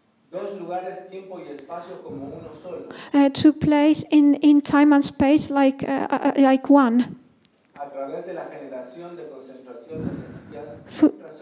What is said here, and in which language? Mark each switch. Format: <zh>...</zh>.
<es>dos lugares, tiempo y espacio como uno solo,</es> <en>two places in time and space like one.</en> <es>A través de la generación de concentración de energía</es>